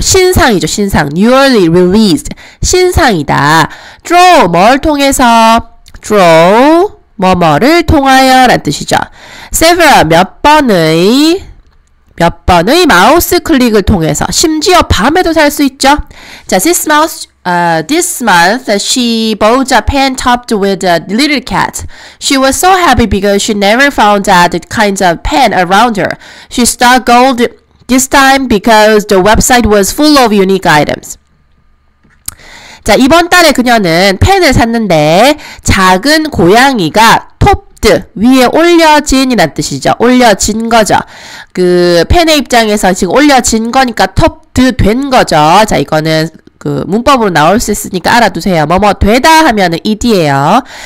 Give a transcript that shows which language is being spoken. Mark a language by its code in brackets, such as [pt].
[ko] 신상이죠, 신상. [en] Newly released. [ko] 신상이다. Draw, 뭘 통해서? Draw, 뭐뭐를 통하여 란 뜻이죠. Several, 몇 번의 마우스 클릭을 통해서. 심지어 밤에도 살수 있죠. [en] 자, this month, she bought a pen topped with a little cat. She was so happy because she never found that kind of pen around her. She stuck gold. This time because the website was full of unique items. [ko] 자, 이번 달에 그녀는 펜을 샀는데 작은 고양이가 topped 위에 올려진이란 뜻이죠. 올려진 거죠. 그 펜의 입장에서 지금 올려진 거니까 topped 된 거죠. 자, 이거는 그 문법으로 나올 수 있으니까 알아두세요. 뭐뭐 되다 하면은 ed예요.